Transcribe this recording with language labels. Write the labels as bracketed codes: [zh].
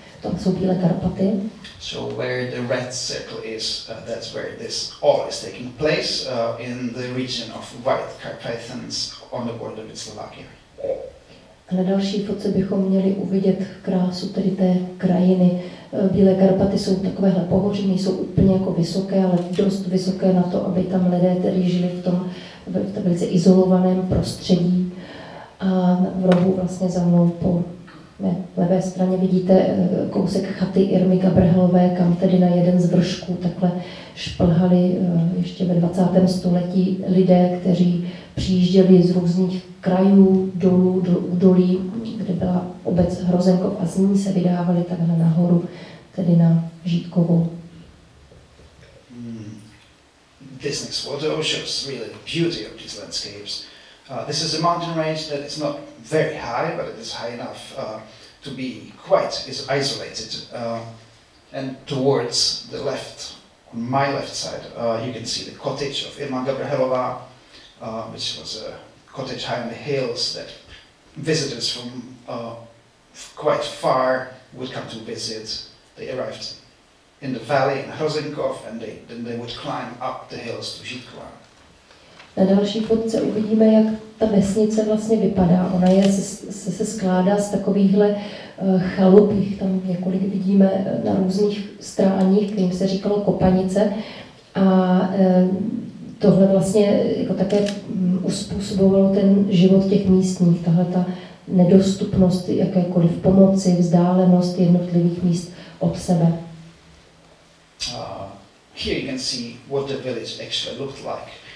[cs] Tam jsou Bílé Karpaty. [en] So where the red circle is, that's where this all is taking place, in the region of White Carpathians on the border with Slovakia. [cs] A na další fotce bychom měli uvidět krásu tedy té krajiny. Bílé Karpaty jsou takovéhle pohoří, nejsou úplně jako vysoké, ale dost vysoké na to, aby tam lidé tedy žili v tom velice izolovaném prostředí. A v rohu vlastně za mnou po na levé straně vidíte kousek chaty Irmy Gabrhelové, kam tedy na jeden z vršků takhle šplhali ještě ve 20. století lidé, kteří přijížděli z různých krajů dolů, do údolí, kde byla obec Hrozenkov, a z ní se vydávali takhle nahoru, tedy na Žítkovou. [en] This next photo shows really the beauty of these landscapes. This is a mountain range that is not very high, but it is high enough to be quite isolated. And towards the left, on my left side, you can see the cottage of Irma Gabrhelová, which was a cottage high in the hills that visitors from quite far would come to visit. They arrived in the valley in Hrozenkov, and then they would climb up the hills to Žítkova. [cs] Na další fotce uvidíme, jak ta vesnice vlastně vypadá. Ona je, se skládá z takovýchhle chalup, jich tam několik vidíme na různých stráních, kterým se říkalo kopanice. A tohle vlastně jako také uspůsobovalo ten život těch místních. Tahle ta nedostupnost jakékoliv pomoci, vzdálenost jednotlivých míst od sebe. [en] Here you can see what the village actually looked like.